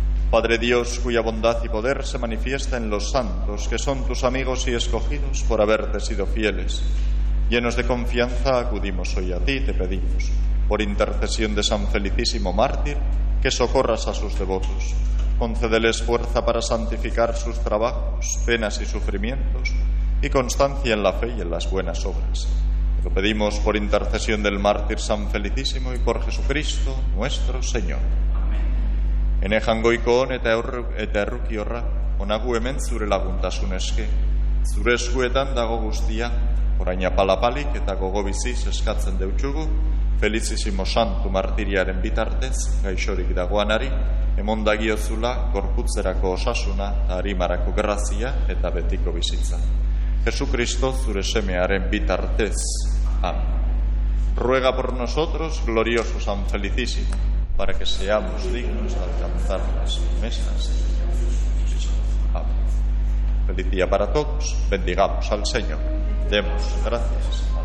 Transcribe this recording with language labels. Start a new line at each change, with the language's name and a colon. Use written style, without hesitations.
Spanish: Padre Dios, cuya bondad y poder se manifiesta en los santos, que son tus amigos y escogidos por haberte sido fieles, llenos de confianza, acudimos hoy a ti y te pedimos, por intercesión de San Felicísimo Mártir, que socorras a sus devotos. Concédeles fuerza para santificar sus trabajos, penas y sufrimientos, y constancia en la fe y en las buenas obras. Te lo pedimos por intercesión del mártir San Felicísimo y por Jesucristo nuestro Señor. Amén.
Basque: Enejangoikoon eta errukiorra, onagu hemen zure laguntasun eske, zure eskuetan dago guztia, orain apalapalik eta gogobiziz eskatzen deutxugu, Felicissimo Santu martiriaren bitartez, gaixorik dagoanari, emondagiozula gorputzerako osasuna, arimarako grazia eta betiko bizitza. Jesucristo, zure semearen bitartez. Amen.
Spanish: Ruega por nosotros, glorioso San Felicissimo, para que seamos dignos de alcanzar las promesas. Amén. Feliz día para todos. Bendigamos al Señor. Demos gracias.